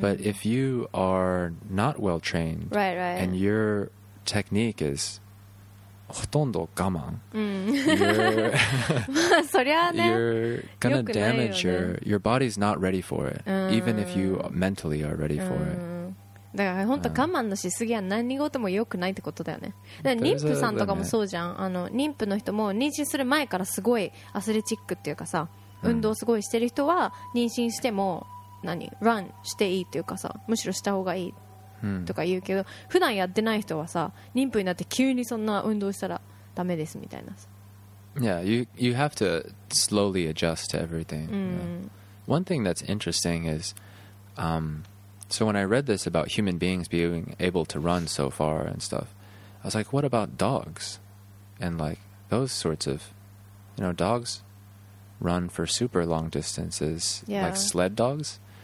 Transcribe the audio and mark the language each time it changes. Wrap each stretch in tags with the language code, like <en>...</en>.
<en>But if you are not well trained, right, right. and your technique is</en> <ja>ほとんど我慢,</ja> <en>you're going to damage your body's not ready for it, even if you mentally are ready for it.</en> <ja>だから本当我慢のしすぎは何事も良くないってことだよね。だから妊婦さんとかもそうじゃん、あの妊婦の人も妊娠する前からすごいアスレチックっていうかさ、運動すごいしてる人は妊娠しても何ランしていいっていうかさ、むしろした方がいいとか言うけど、普段やってない人はさ、妊婦になって急にそんな運動したらダメですみたいなさ。</ja> <en>Yeah, you have to slowly adjust to everything. One thing that's interesting is so when I read this about human beings being able to run so far and stuff, I was like, what about dogs? And like those sorts of, you know, dogs run for super long distances, yeah. like sled dogs.</en>